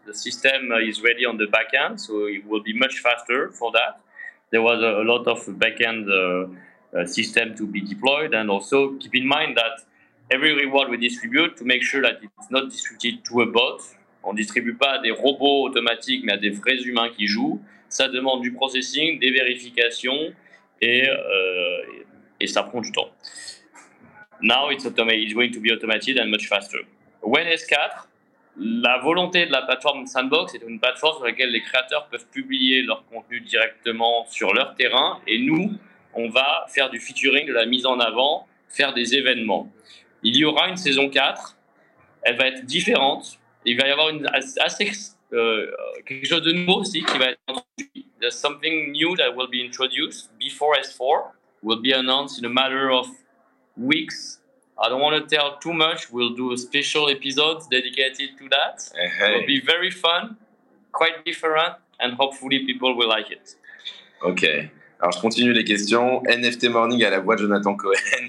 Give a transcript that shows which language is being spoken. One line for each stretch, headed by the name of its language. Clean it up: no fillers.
English: The system is ready on the backend, so it will be much faster for that. There was a lot of backend system to be deployed, and also keep in mind that every reward we distribute to make sure that it's not distributed to a bot.
French: On distribue pas à des robots automatiques, mais à des vrais humains qui jouent. Ça demande du processing, des vérifications, et ça prend du temps.
English: Now it's going to be automated and much faster. When S4,
French: la volonté de la plateforme Sandbox est une plateforme sur laquelle les créateurs peuvent publier leur contenu directement sur leur terrain, et nous, on va faire du featuring, de la mise en avant, faire des événements. Il y aura une saison 4, elle va être différente, il va y avoir quelque chose de nouveau aussi qui va être introduit.
English: There's something new that will be introduced before S4, will be announced in a matter of weeks. I don't want to tell too much. We'll do a special episode dedicated to that. Hey. It'll be very fun, quite different, and hopefully people will like it.
French: Ok. Alors, je continue les questions. NFT Morning à la voix de Jonathan Cohen.